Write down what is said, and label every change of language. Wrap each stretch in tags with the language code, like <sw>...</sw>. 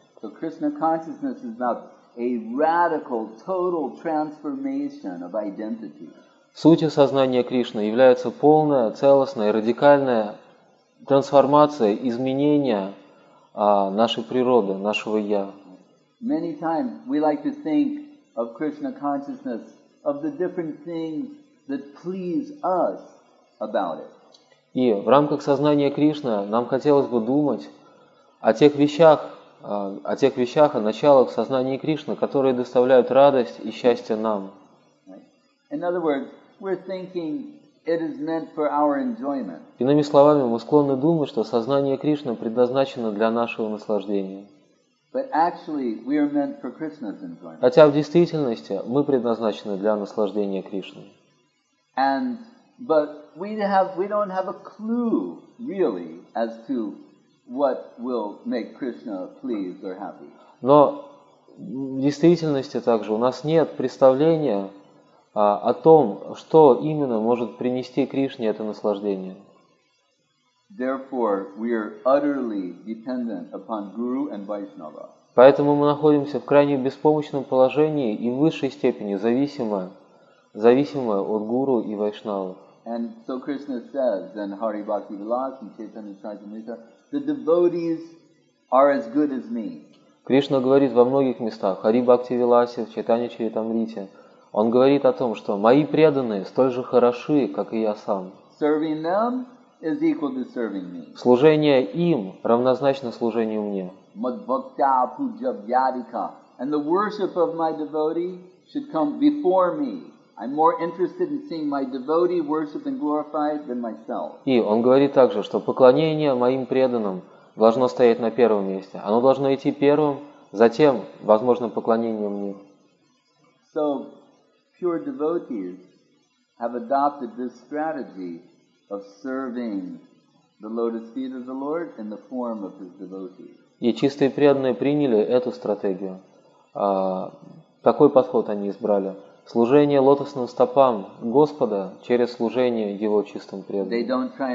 <en>So Krishna consciousness is not a radical, total transformation of identity.</en> <ru>Суть сознания Кришны является полная, целостная, радикальная трансформация, изменение нашей природы, нашего я.</ru> <en>Many times we like to think of Krishna consciousness of the different things that please us about it.</en> <ru>И в рамках сознания Кришны нам хотелось бы думать о тех вещах, о началах сознания Кришны, которые доставляют радость и счастье нам.</ru> <en>In other words, we're thinking it is meant for our enjoyment.</en> <ru>Иными словами, мы склонны думать, что сознание Кришны предназначено для нашего наслаждения.</ru> <en>But actually, we are meant for Krishna's enjoyment.</en> <ru>Хотя в действительности мы предназначены для наслаждения Кришны.</ru> <en>But we don't have a clue really as to what will make Krishna pleased or happy.</en> <ru>Но в действительности также у нас нет представления о том, что именно может принести Кришне это наслаждение.</ru> <en>Therefore, we are utterly dependent upon Guru and Vaishnava.</en> <ru>Поэтому мы находимся в крайне беспомощном положении и в высшей степени зависимое от Гуру и Вайшнавы.</ru> <en>And so Krishna says in Hari Bhakti Vilas and Chaitanya Charitamrita, the devotees are as good as me.</en> <ru>Кришна говорит во многих местах, Хари Бхакти Виласе, Чайтанья Чаритамрите, он говорит о том, что мои преданные столь же хороши, как и я сам.</ru> <en>Serving them is equal to serving me.</en> <ru>Служение им равнозначно служению мне.</ru> <sa>Madbhakta puja vyadika.</sa> <en>And the worship of my devotee should come before me. I'm more interested in seeing my devotee worshipped and glorified than myself.</en> <ru>И он говорит также, что поклонение моим преданным должно стоять на первом месте. Оно должно идти первым, затем, возможно, поклонение мне.</ru> <en>So pure devotees have adopted this strategy of serving the lotus feet of the Lord in the form of his devotees.</en> <ru>И чистые преданные приняли эту стратегию. Такой подход они избрали. Служение лотосным стопам Господа через служение Его чистым преданным.</ru>